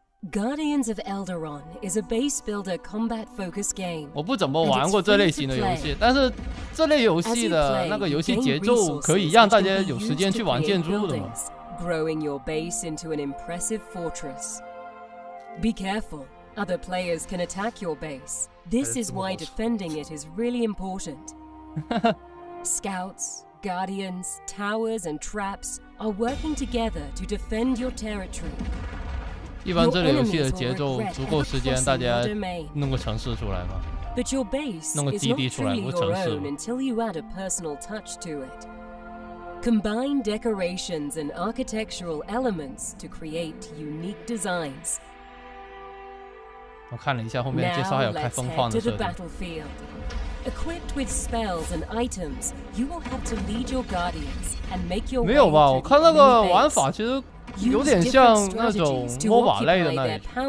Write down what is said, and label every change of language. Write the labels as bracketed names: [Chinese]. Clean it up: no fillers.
[English] Guardians of Eldoron is a base builder combat focus game. [Chinese] 我不怎么玩过这类型的游戏，但是这类游戏的那个游戏节奏可以让大家有时间去玩建筑的吗？ [English] Growing your base into an impressive fortress. Be careful, other players can attack your base. This is why defending it is really important. Scouts, Guardians, towers, and traps. Are working together to defend your territory. [Chinese] 一般这类游戏的节奏足够时间大家弄个城市出来吗？弄个基地出来，不城市。 [English] Until you add a personal touch to it, combine decorations and architectural elements to create unique designs. [Chinese] 我看了一下后面介绍，还有开疯狂的设定。 [English] Equipped with spells and items, you will have to lead your guardians and make your way. [Chinese] 没有吧？我看那个玩法其实有点像那种 MOBA 类的那里。